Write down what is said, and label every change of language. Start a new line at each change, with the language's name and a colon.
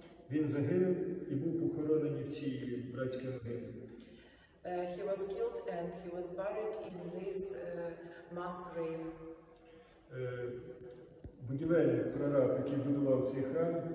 Ukrainian: Він загинув і був похоронений в цій братській могилі.
English: He was killed and he was buried in this mass grave.
Ukrainian: Будівельник, прораб, який будував цей храм.